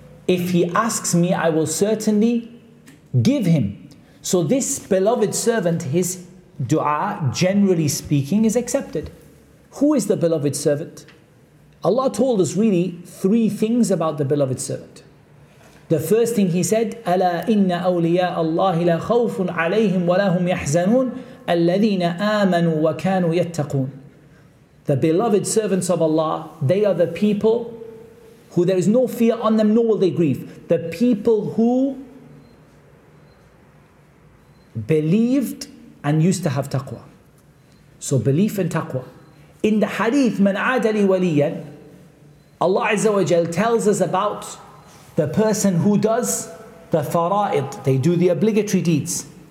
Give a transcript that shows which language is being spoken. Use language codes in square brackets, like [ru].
[en] If he asks me, I will certainly give him. So this beloved servant, his dua, generally speaking, is accepted. Who is the beloved servant? Allah told us really three things about the beloved servant. [ar] The first thing he said, أَلَا إِنَّ أَوْلِيَاءَ اللَّهِ لَا خَوْفٌ عَلَيْهِمْ وَلَا هُمْ يَحْزَنُونَ الَّذِينَ آمَنُوا وَكَانُوا يَتَّقُونَ. [en] The beloved servants of Allah, they are the people who there is no fear on them, nor will they grieve. The people who believed and used to have taqwa. So belief and taqwa. In the hadith, [ar] مَنْ عَادَ لِي وَلِيًا, [en] Allah Azza wa Jal tells us about the person who does the fara'id, they do the obligatory deeds.